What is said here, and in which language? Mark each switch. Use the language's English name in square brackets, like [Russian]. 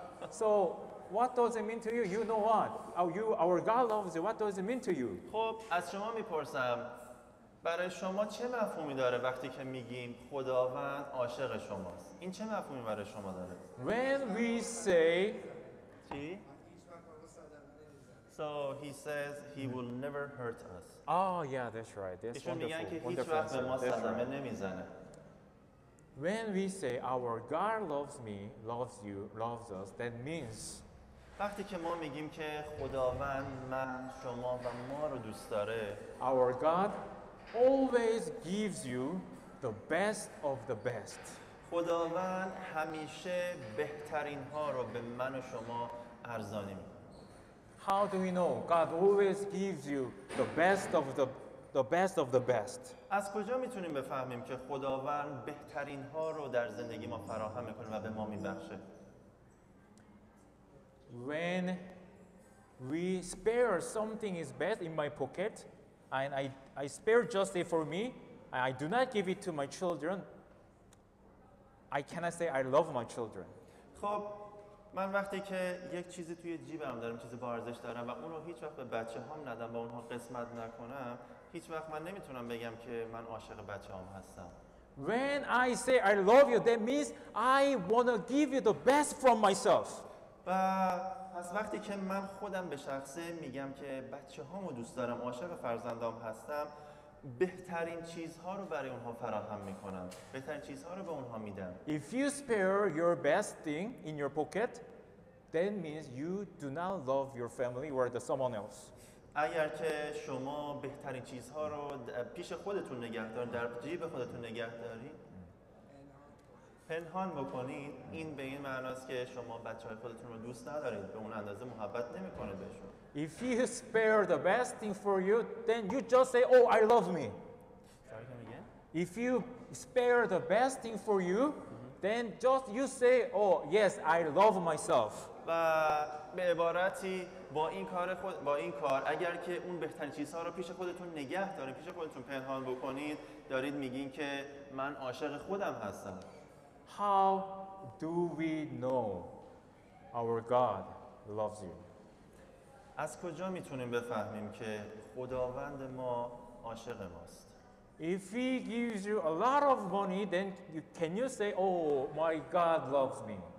[English] So what does it mean to you? You know what? Our God loves you. What does it mean to you? [Persian] خب از شما میپرسم برای شما چه مفهومی داره وقتی که میگیم خداوند عاشق شماست؟ این چه مفهومی برای شما داره؟ [English] When we say [Persian] چی؟ [English] So he says he will never hurt us. Oh yeah, that's right. That's [Persian] ایشون میگن که هیچ وقت به ما صدمه نمیزنه. [English] When we say our God loves me, loves you, loves us, that means [Persian] وقتی که ما میگیم که خداوند من شما و ما رو دوست داره [English] our God always gives you the best of the best. [Persian] خداوند همیشه بهترین ها رو به من و شما ارزانی می [English] How do we know God always gives you the best of the best. [Persian] از کجا میتونیم بفهمیم که خداوند بهترین ها رو در زندگی ما فراهم میکنه و به ما میبخشه؟ [English] When we spare something is best in my pocket and I spare just it for me and I do not give it to my children, I cannot say I love my children. [Persian] خب من وقتی که یک چیزی توی جیبم دارم، چیزی با ارزش دارم و اونو هیچ وقت به بچه‌هام ندم، به اونها قسمت نکنم، هیچ وقت من نمیتونم بگم که من عاشق بچه‌هام هستم. [English] When I say I love you, that means I want to give you the best from myself. [Persian] و از وقتی که من خودم به شخصه میگم که بچه‌هامو دوست دارم، عاشق فرزندام هستم، بهترین چیزها رو برای اونها فراهم میکنم. بهترین چیزها رو به اونها میدم. [English] If you spare your best thing in your pocket, that means you do not love your family or the someone else. اگر که شما بهترین چیزها رو پیش خودتون نگه دارید، در جیب خودتون نگه دارید، پنهان بکنید، این به این معناست که شما بچه های خودتون رو دوست ندارید، به اون اندازه محبت نمی کنید بهشون. If you spare the best thing for you, then you just say, oh, I love me. Sorry, come again? If you spare the best thing for you, then just you say, oh, yes, I love myself. [Persian] و به عبارتی با این کار خود با این کار اگر که اون بهترین چیزها رو پیش خودتون نگه دارید، پیش خودتون پنهان بکنید، دارید میگین که من عاشق خودم هستم. [English] How do we know our God loves you? [Persian] از کجا میتونیم بفهمیم که خداوند ما عاشق ماست؟ [English] If he gives you a lot of money, then can you say, oh, my God loves me?